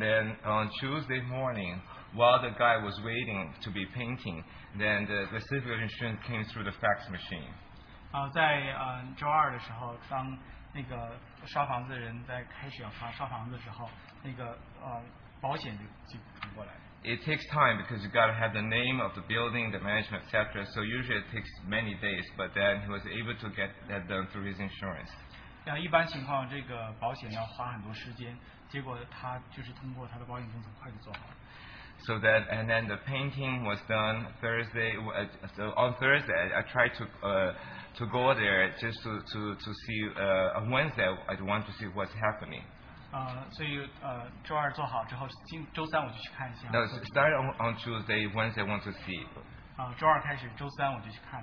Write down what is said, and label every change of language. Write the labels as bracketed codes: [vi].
[en] then on Tuesday morning, while the guy was waiting to be painting, then the certificate of insurance came through the fax machine. [zh] 在周二的时候，当那个刷房子的人在开始要刷房子的时候，那个保险就传过来。 [en] It takes time because you got to have the name of the building, the management, etc. So usually it takes many days, but then he was able to get that done through his insurance. [zh] 一般情况，这个保险要花很多时间。结果他就是通过他的保险工作很快就做好了。 [en] So that, and then the painting was done Thursday. So on Thursday, I tried to go there just to see, on Wednesday, I want to see what's happening. So, started on Tuesday, Wednesday, I want to see.